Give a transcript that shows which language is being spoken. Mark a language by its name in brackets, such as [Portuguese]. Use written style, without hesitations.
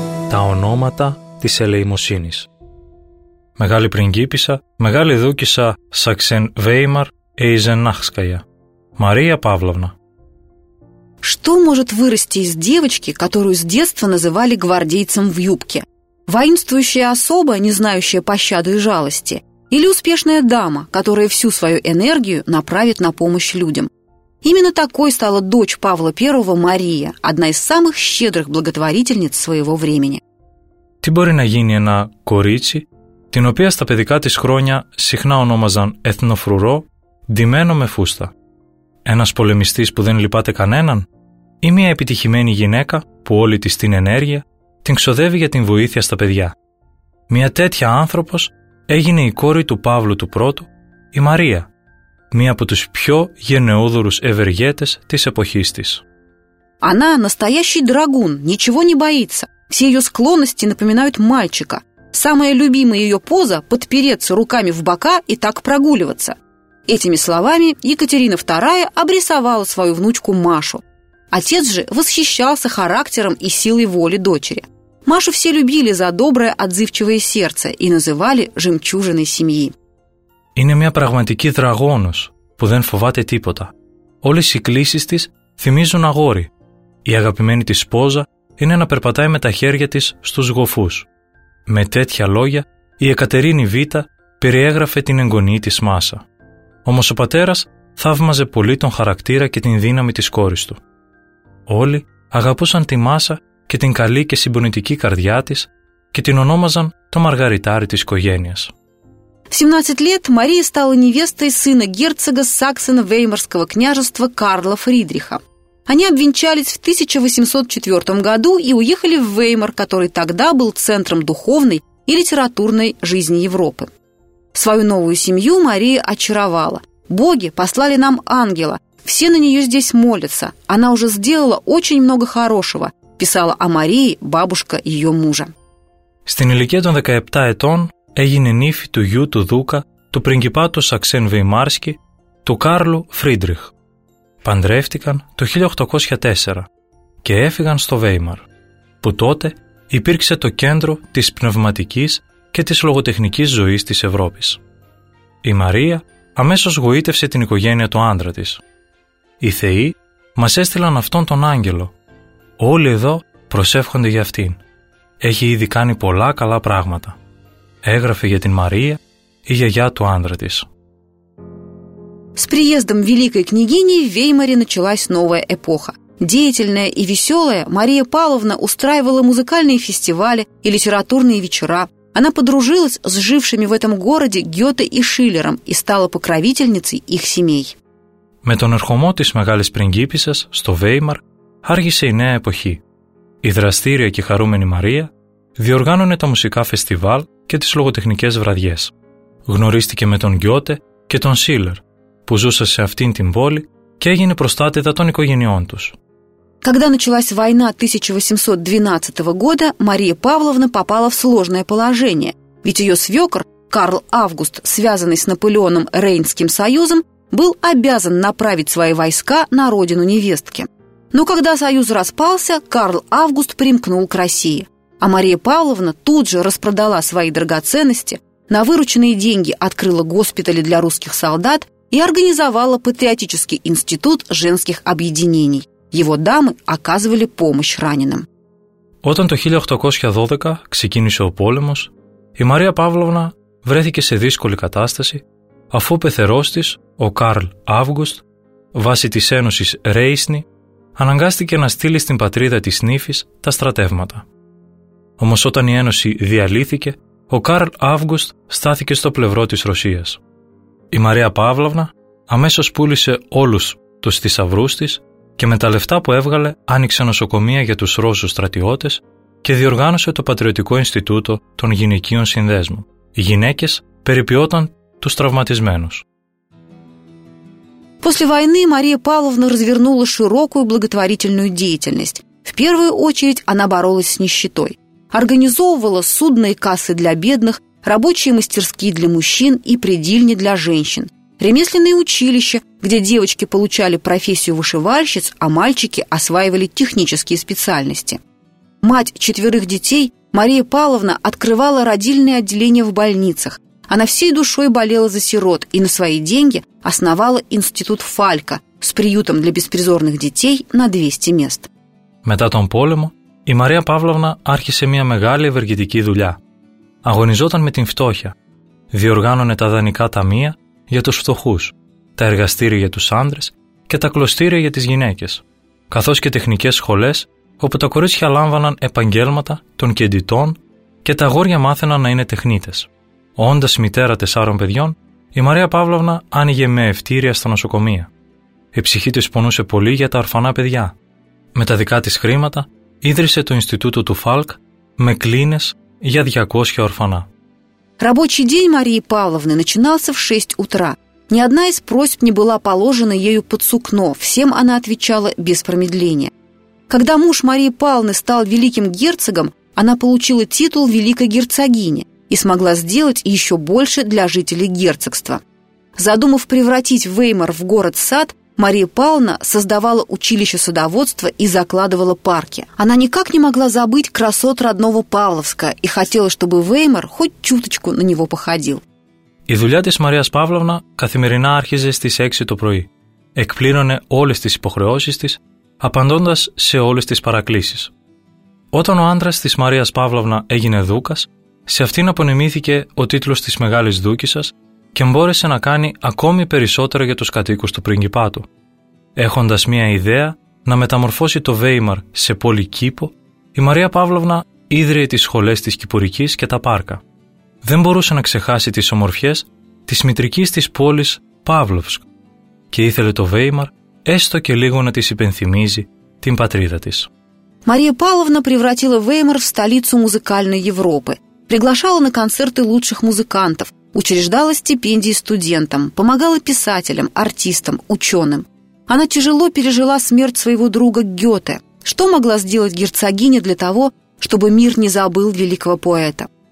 [Greek] Та ономата της ελεημοσύνης. Μεγάλη πριγκίπισσα, μεγάλη δούκισσα Σαξεν Βέιμαρ Έιζενάχσκαγια. Μαρία Παύλωνα. [Russian] Что может вырасти из девочки, которую с детства называли гвардейцем в юбке? Воинствующая особа, не знающая пощады и жалости, или успешная дама, которая всю свою энергию направит на помощь людям? Именно такой стала дочь Павла I Мария, одна из самых щедрых благотворительниц своего времени. [Greek] Τι μπορεί να γίνει ένα κορίτσι, την οποία στα παιδικά της χρόνια συχνά ονόμαζαν εθνοφρουρό, ντυμένο με φούστα? Ένας πολεμιστής που δεν λυπάται κανέναν, ή μια επιτυχημένη γυναίκα που όλη της την ενέργεια την ξοδεύει για την βοήθεια στα παιδιά? Μια τέτοια άνθρωπος έγινε η κόρη του Παύλου του Πρώτου, η Μαρία, μία από τους πιο γενναιόδωρους ευεργέτες της εποχής της. [Russian] Она настоящий драгун, ничего не боится. Все ее склонности напоминают мальчика. Самая любимая ее поза – подпереться руками в бока и так прогуливаться. Этими словами Екатерина II обрисовала свою внучку Машу. Отец же восхищался характером и силой воли дочери. Машу все любили за доброе, отзывчивое сердце и называли жемчужиной семьи. [Greek] Είναι μια πραγματική δραγόνος που δεν φοβάται τίποτα. Όλες οι κλήσεις της θυμίζουν αγόρι. Η αγαπημένη της πόζα είναι να περπατάει με τα χέρια της στους γοφούς. Με τέτοια λόγια, η Εκατερίνη Β' περιέγραφε την εγγονή της Μάσα. Όμως ο πατέρας θαύμαζε πολύ τον χαρακτήρα και την δύναμη της κόρης του. Όλοι αγαπούσαν τη Μάσα και την καλή και συμπονητική καρδιά της και την ονόμαζαν το μαργαριτάρι της οικογένειας. [Russian] В 17 лет Мария стала невестой сына герцога Саксен-Веймарского княжества Карла Фридриха. Они обвенчались в 1804 году и уехали в Веймар, который тогда был центром духовной и литературной жизни Европы. Свою новую семью Мария очаровала. «Боги послали нам ангела, все на нее здесь молятся, она уже сделала очень много хорошего», писала о Марии бабушка ее мужа. [Greek] Στην ηλικία των 17 ετών έγινε νύφη του γιου του Δούκα, του πριγκιπάτου Σαξέν Βεϊμάρσκι, του Κάρλου Φρίντριχ. Παντρεύτηκαν το 1804 και έφυγαν στο Βέιμαρ, που τότε υπήρξε το κέντρο της πνευματικής και της λογοτεχνικής ζωής της Ευρώπης. Η Μαρία αμέσως γοήτευσε την οικογένεια του άντρα της. Οι θεοί μας έστειλαν αυτόν τον άγγελο. Όλοι εδώ προσεύχονται για αυτήν. Έχει ήδη κάνει πολλά καλά πράγματα. Έγραφε για την Μαρία η γιαγιά του άντρα της. [Russian] С приездом великой княгини в Веймаре началась новая эпоха. Деятельная и веселая Мария Павловна устраивала музыкальные фестивали и литературные вечера. Она подружилась с жившими в этом городе Гёте и Шиллером и стала покровительницей их семей. [Greek] Με τον ερχομό της μεγάλης πριγκίπισσας στο Βέιμαρ άρχισε η νέα εποχή. Η δραστήρια και χαρούμενη Μαρία διοργάνωνε τα μουσικά φεστιβάλ και τις λογοτεχνικές βραδιές. Γνωρίστηκε με τον Γιώτε και τον Σίλερ, που ζούσε σε αυτήν την πόλη και έγινε προστάτητα των οικογενειών τους. [Russian] Когда началась война 1812 года, Мария Павловна попала в сложное положение, ведь ее свекр, Карл Август, связанный с Наполеоном Рейнским союзом, был обязан направить свои войска на родину невестки. Но когда союз распался, Карл Август примкнул к России. А Мария Павловна тут же распродала свои драгоценности, на вырученные деньги открыла госпитали для русских солдат и организовала Патриотический институт женских объединений. Его дамы оказывали помощь раненым. [Greek] Όταν το 1812 ξεκίνησε ο πόλεμος, η Μαρία Παύλωνα βρέθηκε σε δύσκολη κατάσταση, αφού ο πεθερός της, ο Κάρλ Αύγουστ, βάσει της Ένωσης Ρέισνη, αναγκάστηκε να στείλει στην πατρίδα της νύφης τα στρατεύματα. Όμως όταν η Ένωση διαλύθηκε, ο Κάρλ Αύγουστ στάθηκε στο πλευρό της Ρωσίας. Η Μαρία Παύλωνα αμέσως πούλησε όλους τους θησαυρούς της και με τα λεφτά που έβγαλε άνοιξε νοσοκομεία για τους Ρώσους στρατιώτες και διοργάνωσε το Πατριωτικό Ινστιτούτο των Γυναικείων Συνδέσμων. Οι γυναίκες περιποιόταν τους τραυματισμένους. [Russian] После войны Мария Павловна развернула широкую благотворительную деятельность. В первую очередь она боролась с нищетой. Организовывала судные кассы для бедных, рабочие мастерские для мужчин и предильни для женщин, ремесленные училища, где девочки получали профессию вышивальщиц, а мальчики осваивали технические специальности. Мать четверых детей, Мария Павловна открывала родильные отделения в больницах. Она всей душой болела за сирот и на свои деньги основала институт Фалька с приютом для беспризорных детей на 200 мест. [Greek] Μετά τον πόλεμο, η Μαρία Παύλωνα άρχισε μια μεγάλη ευεργετική δουλειά. Αγωνιζόταν με την φτώχεια. Διοργάνωνε τα δανεικά ταμεία για τους φτωχούς, τα εργαστήρια για τους άντρες και τα κλωστήρια για τις γυναίκες, καθώς και τεχνικές σχολές όπου τα κορίτσια λάμβαναν επαγγέλματα των κεντητών και τα αγόρια μάθαιναν να είναι τεχνίτες. Όντας μητέρα τεσσάρων παιδιών, η Μαρία Παύλωνα άνοιγε με ευτήρια στα νοσοκομεία. Η ψυχή της πονούσε πολύ για τα ορφανά παιδιά. Με τα δικά της χρήματα ίδρυσε το Ινστιτούτο του Φάλκ με κλίνες για 200 ορφανά. [Russian] Рабочий день Марии Павловны начинался в 6 утра. Ни одна из просьб не была положена ею под сукно, всем она отвечала без промедления. Когда муж Марии Павловны стал великим герцогом, она получила титул великой герцогини и смогла сделать еще больше для жителей герцогства. Задумав превратить Веймар в город-сад, Мария Павловна создавала училище садоводства и закладывала парки. Она никак не могла забыть красот родного Павловска и хотела, чтобы Веймар хоть чуточку на него походил. [Greek] Η δουλειά της Μαρίας Παύλωνα καθημερινά άρχιζε στις 6 το πρωί. Εκπλήρωνε όλες τις υποχρεώσεις της, απαντώντας σε όλες τις παρακλήσεις. Όταν ο άντρας της Μαρίας Παύλωνα έγινε δούκας, σε αυτήν απονεμήθηκε ο τίτλος της Μεγάλης Δούκισσας και μπόρεσε να κάνει ακόμη περισσότερα για τους κατοίκους του πριγκιπάτου. Έχοντας μία ιδέα να μεταμορφώσει το Βέιμαρ σε πόλη κήπο, η Μαρία Παύλωνα ίδρυε τις σχολές της Κυπουρικής και τα πάρκα. Δεν μπορούσε να ξεχάσει τις ομορφιές της μητρικής της πόλης Παύλοβσκ και ήθελε το Βέιμαρ έστω και λίγο να της υπενθυμίζει την πατρίδα της. [Russian] Мария Павловна превратила Веймар в столицу музыкальной Европы, приглашала на концерты лучших музыкантов, учреждала стипендии студентам, помогала писателям, артистам, ученым. Она тяжело пережила смерть своего друга Гёте. Что могла сделать герцогиня для того, чтобы мир не забыл великого поэта?